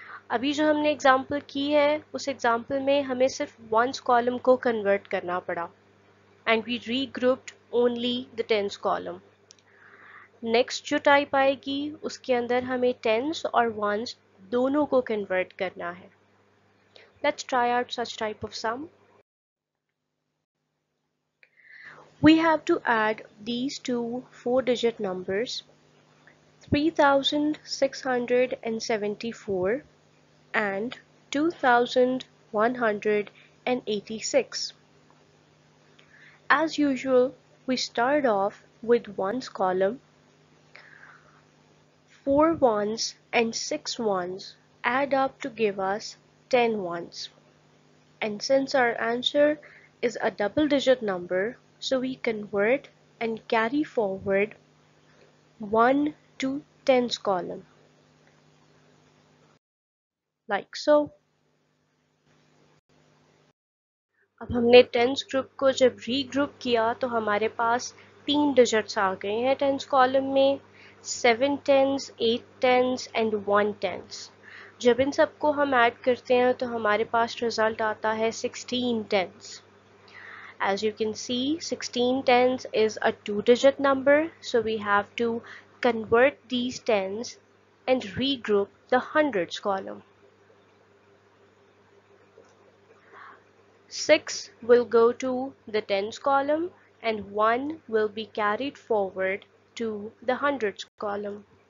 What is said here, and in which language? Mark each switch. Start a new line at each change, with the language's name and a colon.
Hindi: अभी जो हमने एग्जांपल की है उस एग्जांपल में हमें सिर्फ वंस कॉलम को कन्वर्ट करना पड़ा
English: And we regrouped only the tens column.
Hindi: Next जो टाइप आएगी उसके अंदर हमें टेंस और वंस दोनों को कन्वर्ट करना है।
English: Let's try out such type of sum. We have to add these two four-digit numbers, 3674 and 2186. As usual, we start off with ones column. Four ones and six ones add up to give us 10 ones. And since our answer is a double-digit number, so we convert and carry forward 1 to tens column, like so.
Hindi: अब हमने tens group को जब regroup किया तो हमारे पास 3 digits आ गए हैं tens column में,
English: 7 tens, 8 tens and 1 tens.
Hindi: जब इन सबको हम add करते हैं तो हमारे पास result आता है 16 tens.
English: As you can see, 16 tens is a two-digit number, so we have to convert these tens and regroup the hundreds column. 6 will go to the tens column and 1 will be carried forward to the hundreds column.